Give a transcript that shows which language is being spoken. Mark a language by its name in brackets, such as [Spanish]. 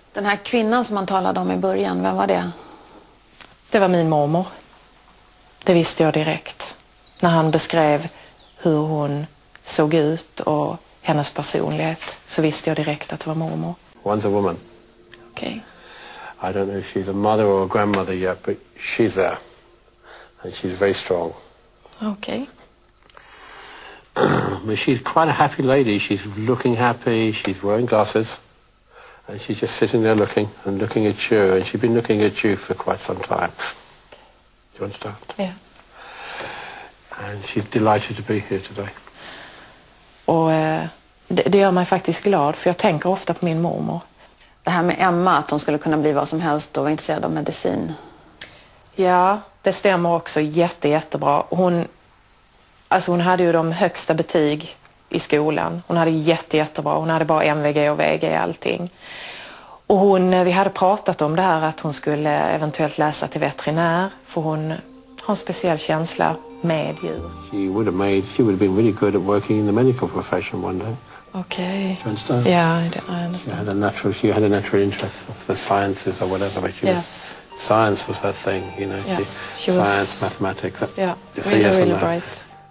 [Swedish] Den här kvinnan som man talade om i början, vem var det? Det var min mormor. Det visste jag direkt. När han beskrev hur hon såg ut och hennes personlighet, så visste jag direkt att det var mormor. [English] One's a woman. Okay. I don't know if she's a mother or a grandmother yet, but she's there, and she's very strong. Okay. But she's quite a happy lady. She's looking happy. She's wearing glasses, and she's just sitting there looking and looking at you. And she's been looking at you for quite some time. Do you understand? Yeah. And she's delighted to be here today. [Swedish] Och det gör mig faktiskt glad, för jag tänker ofta på min mormor. Det här med Emma, att hon skulle kunna bli vad som helst och vara intresserad av medicin. Ja, det stämmer också jättebra. Hon hade ju de högsta betyg i skolan. Hon hade jättebra. Hon hade bara MVG och VG i allting. Och vi hade pratat om det här, att hon skulle eventuellt läsa till veterinär. För hon har en speciell känsla med djur. [English] She would have been really good at working in the medical profession one day. Okay. Do you understand? Yeah, I understand. She had a natural interest of the sciences or whatever, but science was her thing, you know. Yeah. Science, mathematics. Yeah. Really, really bright.